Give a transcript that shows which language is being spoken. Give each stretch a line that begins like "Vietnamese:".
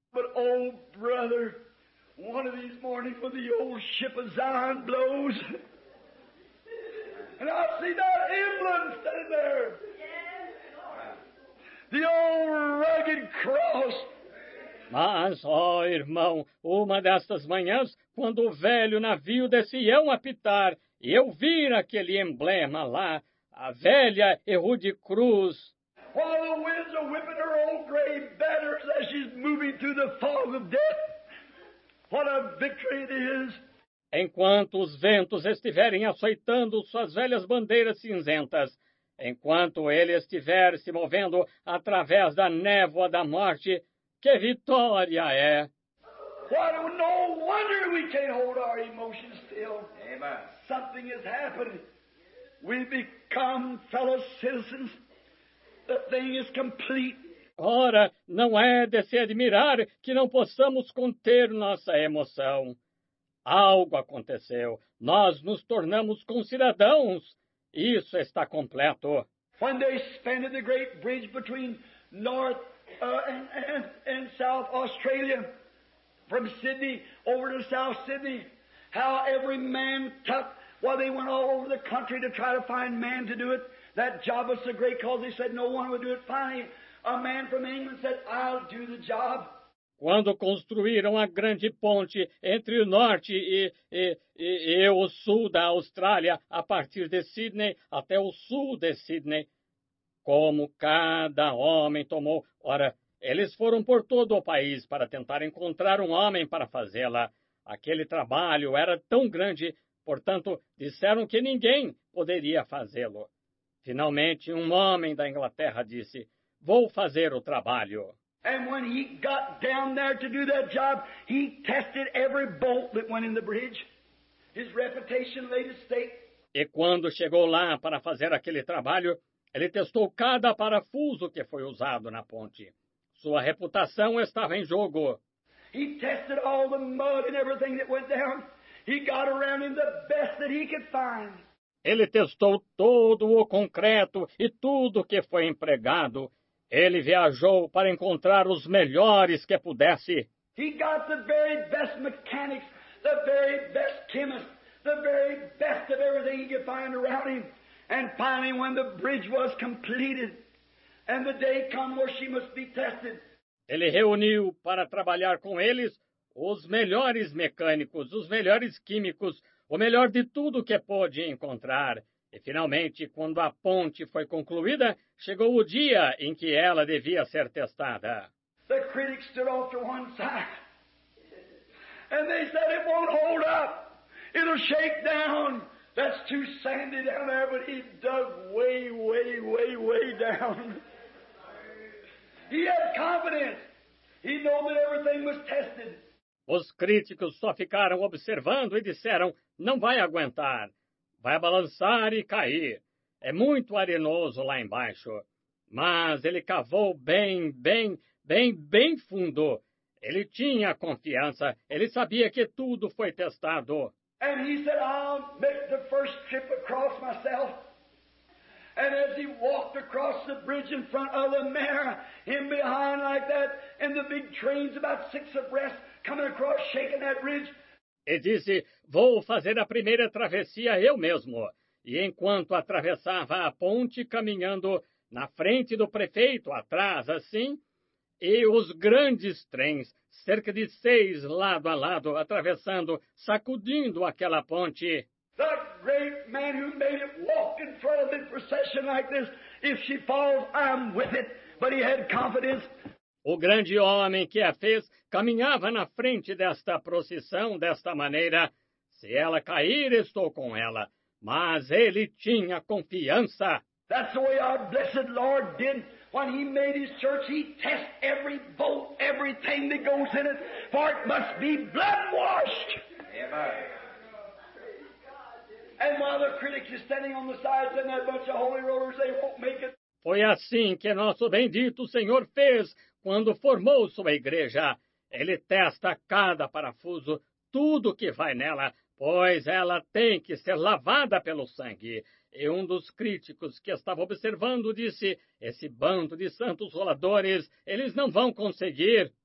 English: But, oh, brother, one of these mornings when the old ship of Zion blows, and I'll see that emblem standing there. The old rugged cross.
Portuguese: Mas, oh, irmão, uma destas manhãs, quando o velho navio de Sião apitar, e eu vir aquele emblema lá, a velha e rude cruz.
English: While the winds are whipping her old gray banners as she's moving through the fog of death, what a victory it is.
Portuguese: Enquanto os ventos estiverem açoitando suas velhas bandeiras cinzentas, enquanto ele estiver se movendo através da névoa da morte, que vitória é!
English: Why, no wonder we can't hold our emotions still. Amen. Something has happened. We become fellow citizens. The thing is complete.
Portuguese: Ora, não é de se admirar que não possamos conter nossa emoção. Algo aconteceu. Nós nos tornamos concidadãos. Isso está completo.
English: When they spanned the great bridge between North and South Australia, from Sydney over to South Sydney, how every man took while they went all over the country to try to find man to do it. That job was so great because they said no one would do it. Finally, a man from England said, I'll do the job.
Portuguese: Quando construíram a grande ponte entre o norte e o sul da Austrália, a partir de Sydney até o sul de Sydney, como cada homem tomou. Ora, eles foram por todo o país para tentar encontrar um homem para fazê-la. Aquele trabalho era tão grande, portanto, disseram que ninguém poderia fazê-lo. Finalmente, um homem da Inglaterra disse, vou fazer o trabalho.
English: And when he got down there to do that job, he tested every bolt that went in the bridge. His reputation laid at stake.
Portuguese: E quando chegou lá para fazer aquele trabalho, ele testou cada parafuso que foi usado na ponte. Sua reputação estava em jogo.
English: He tested all the mud and everything that went down. He got around him the best that he could find.
Portuguese: Ele testou todo o concreto e tudo que foi empregado. Ele viajou para encontrar os melhores que pudesse.
English: He got the very best mechanics, the very best chemists, the very best of everything he could find around him. And finally, when the bridge was completed, and the day come where she must be tested.
Portuguese: Ele reuniu para trabalhar com eles os melhores mecânicos, os melhores químicos, o melhor de tudo que pôde encontrar. E finalmente, quando a ponte foi concluída, chegou o dia em que ela devia ser testada.
English: The critics stood off to one side. And they said it won't hold up. It'll shake down. That's too sandy down there, but he dug way, way, way, way down. He had confidence. He knew that everything was tested.
Portuguese: Os críticos só ficaram observando e disseram, não vai aguentar. Vai balançar e cair. É muito arenoso lá embaixo. Mas ele cavou bem, bem, bem, bem fundo. Ele tinha confiança. Ele sabia que tudo foi testado.
English: And he said, I'll make the first trip across myself. And as he walked across the bridge in front of the mayor, him behind like that, and the big trains about six abreast coming across, shaking that bridge.
Portuguese: E disse, vou fazer a primeira travessia eu mesmo. E enquanto atravessava a ponte, caminhando na frente do prefeito, atrás, assim, e os grandes trens, cerca de seis lado a lado, atravessando, sacudindo aquela ponte.
English: The great man who made it walk in front of the procession like this, if she falls, I'm with it. But he had confidence.
Portuguese: O grande homem que a fez caminhava na frente desta procissão desta maneira. Se ela cair, estou com ela. Mas ele tinha confiança.
English: That's the way our blessed Lord did when he made his church. He tests every bolt, everything that goes in it, for it must be blood-washed. And while the critic is standing on the sides and that bunch of holy rollers, they won't make it.
Portuguese: Foi assim que nosso bendito Senhor fez. Quando formou sua igreja, ele testa cada parafuso, tudo que vai nela, pois ela tem que ser lavada pelo sangue. E um dos críticos que estava observando disse, esse bando de santos roladores, eles não vão conseguir.